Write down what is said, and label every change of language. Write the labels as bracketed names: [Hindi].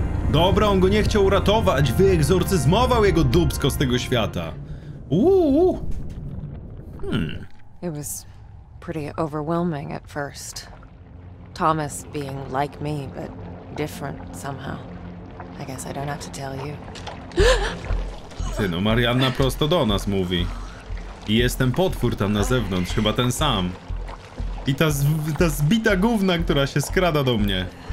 [Polish] Dobra, on go nie chciał uratować, wyegzorcyzmował jego dupsko z tego świata. [English] It was pretty overwhelming at first. Thomas being like me, but different somehow. I guess I don't have to tell you. [Polish] Ty no, Marianna prosto do nas mówi. I jest ten potwór tam na zewnątrz, chyba ten sam. I ta zbita gówna, która się skrada do mnie.